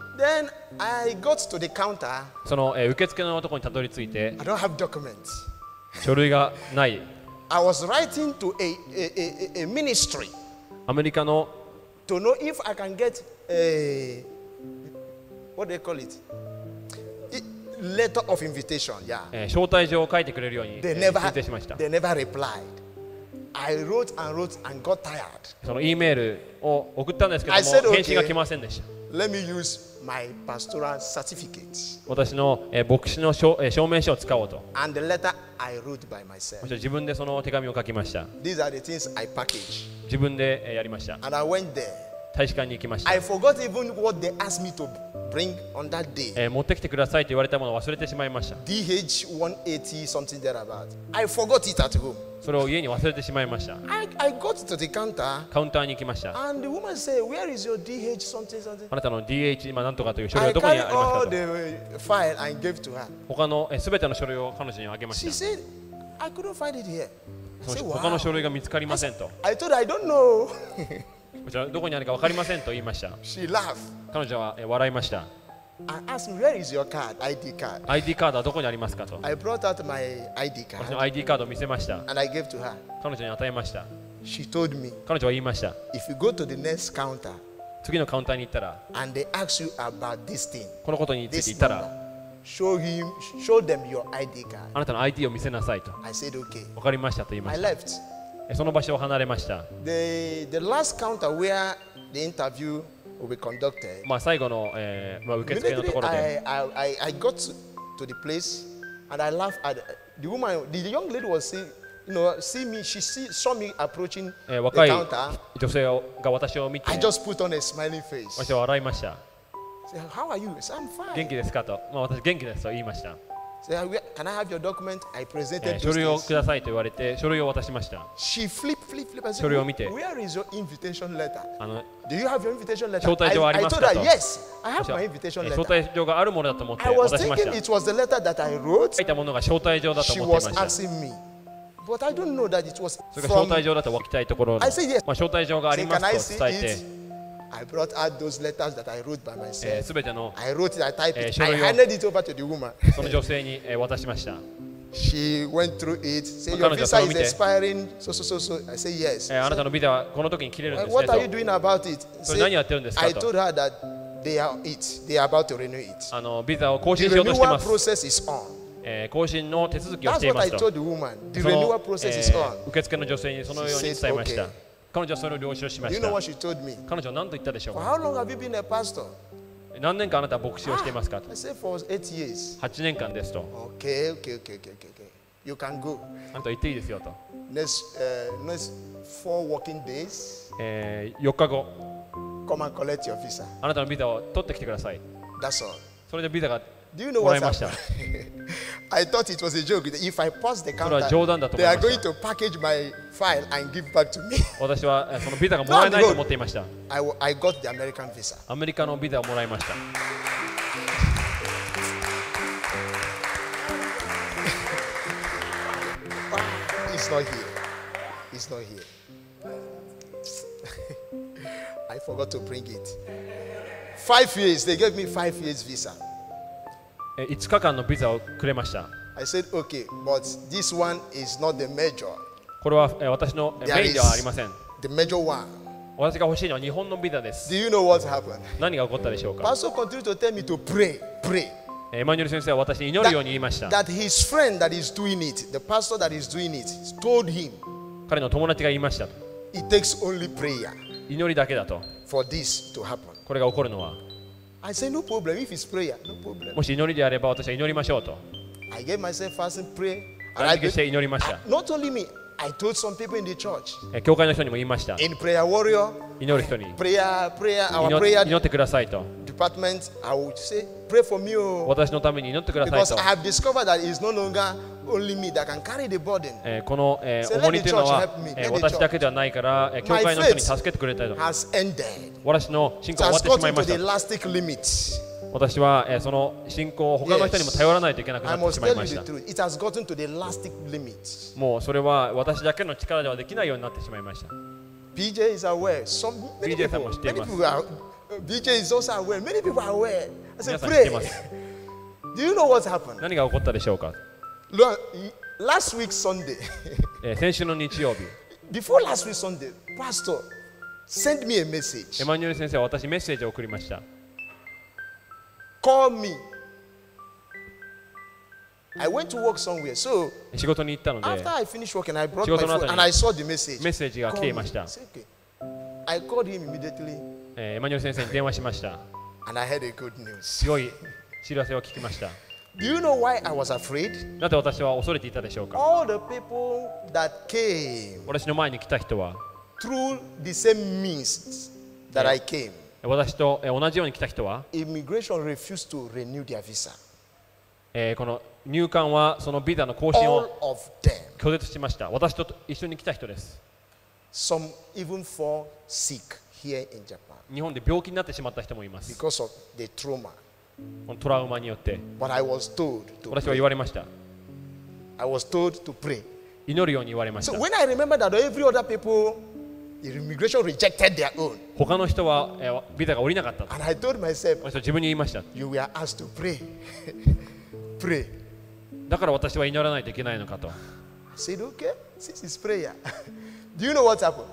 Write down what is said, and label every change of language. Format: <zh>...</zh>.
<en>Then I got to the counter.</en> <ja>その受付のところにたどり着いて、</ja> <en>I don't have documents.</en> <ja>書類がない。</ja> <en>I was writing to a ministry.</en> <ja>アメリカの、</ja> <en>to know if I can get a what they call it letter of invitation. Yeah.</en> <ja>招待状を書いてくれるように申請しました。</ja> <en>They never replied. I wrote and wrote and got tired.</en> <ja>その E メールを送ったんですけども、</ja> <en>I said, okay,</en> <ja>返信が来ませんでした。</ja> <en>Let me use. My pastoral certificate.</en> <ja>私の牧師の証明書を使おうと。</ja> <en>And the letter I wrote by myself.</en> <ja>私は自分でその手紙を書きました。</ja> <en>These are the things I package.</en> <ja>自分でやりました。</ja> <en>And I went there.</en> <ja>大使館に行きました。</ja> <en>I forgot even what they asked me to bring on that day.</en> <ja>持ってきてくださいと言われたものを忘れてしまいました。</ja> <en>DH-180 something thereabout. I forgot it at home.</en> <ja>それを家に忘れてしまいました。</ja> <en>I got to the counter.</en> <ja>カウンターに行きました。</ja> <en>And the woman said, "Where is your DH something something?"</en> <ja>あなたの DH 今なんとかという書類はどこにありますかと。</ja> <en>I carried all the file and gave to her.</en> <ja>他のすべての書類を彼女にあげました。</ja> <en>She said, "I couldn't find it here."</en> <ja>その他の書類が見つかりませんと。</ja> <en>I told her, "I don't know."</en> <ja>こちらどこにあるか分かりませんと言いました。</ja> <en>She laughed.</en> <ja>彼女は笑いました。</ja> <en>I asked, "Where is your card? ID card?"</en> <ja>ID カードはどこにありますかと。</ja> <en>I brought out my ID card.</en> <ja>私の ID カードを見せました。</ja> <en>And I gave to her.</en> <ja>彼女に与えました。</ja> <en>She told me.</en> <ja>彼女は言いました。</ja> <en>If you go to the next counter.</en> <ja>次のカウンターに行ったら。</ja> <en>And they ask you about this thing.</en> <ja>このことについて言ったら。</ja> <en>Show them your ID card.</en> <ja>あなたの ID を見せなさいと。</ja> <en>I said, "Okay."</en> <ja>分かりましたと言いました。</ja> <en>I left.</en> <ja>その場所を離れました。</ja> <en>The last counter where the interview will be conducted.</en> <ja>まあ最後の、受付のところで。</ja> <en>I got to the place and I laughed at the woman. The young lady was see, you know, see me. She see, saw me approaching the counter.</en> <ja>若い女性が私を見て。</ja> <en>I just put on a smiling face.</en> <ja>私は笑いました。</ja> <en>Say, "How are you?" I said, "I'm fine."</en> <ja>元気ですかと。まあ私元気ですと言いました。</ja> <en>Can I have your document? I presented it.</en> <ja>書類をくださいと言われて書類を渡しました。</ja> <en>She flip.</en> <ja>書類を見て。</ja> <en>Where is your invitation letter? Do you have your invitation letter?</en> <ja>招待状はありますかと。</ja> <en>I told her yes. I have my invitation letter.</en> <ja>招待状があるものだと思って渡しました。</ja> <en>I was thinking it was the letter that I wrote.</en> <ja>書いたものが招待状だと思ってました。</ja> <en>She was asking me, but I don't know that it was.</en> <ja>それが招待状だと分かりたいところ。</ja> <en>I said yes.</en> <ja>まあ招待状がありますと伝えて。</ja> <en>I brought out those letters that I wrote by myself.</en> <ja>すべての。</ja> <en>I wrote it. I typed it. I handed it over to the woman.</en> <ja>その女性に渡しました。</ja> <en>She went through it. Say your visa is expiring. So. I say yes.</en> <ja>あなたのビザはこの時に切れるんですね。</ja> <en>What are you doing about it?</en> <ja>それ何やってるんですかと。</ja> <en>I told her that they are it. They are about to renew it.</en> <ja>あのビザを更新しようとしてます。</ja> <en>The renewal process is on.</en> <ja>更新の手続きをしていますと。</ja> <en>That's what I told the woman. The renewal process is on.</en> <ja>受付の女性にそのように伝えました。彼女はそれを了承しました。</ja> <en>You know what she told me?</en> <ja>彼女は何と言ったでしょうか。</ja> <en>For how long have you been a pastor?</en> <ja>何年間あなたは牧師をしていますかと。</ja> <en>I said for 8 years.</en> <ja>8年間ですと。</ja> <en>Okay. You can go.</en> <ja>あなたは行っていいですよと。</ja> <en>Next 4 working days.</en> <ja>4日後。</ja> <en>Come and collect your visa.</en> <ja>あなたのビザを取ってきてください。</ja> <en>That's all.</en> <ja>それでビザが。</ja> <en>Do you know what happened? I thought it was a joke. If I pass the counter, they are going to package my file and give back to me.</en> <ja>私はそのビザがもらえないと思っていました。</ja> <en>I got the American visa.</en> <ja>アメリカのビザをもらいました。</ja> <en>It's not here. It's not here. I forgot to bring it. 5 years. They gave me 5 years visa.</en> <ja>5日間のビザをくれました。</ja> <en>I said, okay, but this one is not the major.</en> <ja>これは私のメインではありません。</ja> <en>The major one.</en> <ja>私が欲しいのは日本のビザです。</ja> <en>Do you know what happened?</en> <ja>何が起こったでしょうか。</ja> <en>Pastor continued to tell me to pray.</en> <ja>エマニュエル先生は私に祈るように言いました。</ja> <en>That his friend that is doing it, the pastor that is doing it, told him.</en> <ja>彼の友達が言いました。</ja> <en>It takes only prayer.</en> <ja>祈りだけだと。</ja> <en>For this to happen.</en> <ja>これが起こるのは。</ja> <en>I say no problem if it's prayer, no problem.</en> <ja>もし祈りであれば私は祈りましょうと。</ja> <en>I gave myself fast and pray.</en> <ja>断食して祈りました。</ja> <en>Not only me, I told some people in the church.</en> <ja>教会の人にも言いました。</ja> <en>In prayer warrior.</en> <ja>祈る人に。</ja> <en>Prayer, our prayer.</en> <ja>祈ってくださいと。</ja> <en>Department, I would say, pray for me.</en> <ja>私のために祈ってくださいと。</ja> <en>Because I have discovered that it's no longer only me that can carry the burden.</en> <ja>この重荷というのは私だけではないから、教会の人に助けてくれたいと。</ja> <en>Has ended.</en> <ja>私の信仰は終わってしまいました。私はその信仰を他の人にも頼らないといけなくなってしまいました。</ja> <en>It has gotten to the elastic limit.</en> <ja>もうそれは私だけの力ではできないようになってしまいました。</ja> <en>BJ is aware. Some</en> <ja>BJ さんも知っています。</ja> <en>BJ is also aware. Many people are aware. I said, "Pray." Do you know what happened?</en> <ja>何が起こったでしょうか。</ja> <en>Last week Sunday.</en> <ja>先週の日曜日。</ja> <en>Before last week Sunday, Pastor. Send me a message.</en> <ja>エマニュエル先生は私にメッセージを送りました。</ja> <en>Call me. I went to work somewhere. So,</en> <ja>仕事に行ったので、</ja> <en>after I finished working, I brought my phone and I saw the message.</en> <ja>メッセージが来ていました。</ja> <en>I called him immediately.</en> <ja>エマニュエル先生に電話しました。</ja> <en>And I had a good news.</en> <ja>良い知らせを聞きました。</ja> <en>Do you know why I was afraid?</en> <ja>なぜ私は恐れていたでしょうか。</ja> <en>All the people that came.</en> <ja>私の前に来た人は、</ja> <en>Through the same means that that I came.</en> <ja>私と同じように来た人は、</ja> <en>immigration refused to renew their visa.</en> <ja>この入管はそのビザの更新を拒絶しました。私と一緒に来た人です。</ja> <en>Some even fall sick here in Japan.</en> <ja>日本で病気になってしまった人もいます。</ja> <en>Because of the trauma.</en> <ja>このトラウマによって。</ja> <en>But I was told to pray.</en> <ja>私は言われました。</ja> <en>I was told to pray.</en> <ja>祈るように言われました。</ja> <en>So when I remember that every other people. Immigration rejected their own.</en> <ja>他の人はビザが降りなかった。</ja> <en>And I told myself,</en> <ja>私は自分に言いました。</ja> <en>You were asked to pray. Pray.</en> <ja>だから私は祈らないといけないのかと。</ja> <en>I said, okay, this is prayer. Do you know what happened?</en>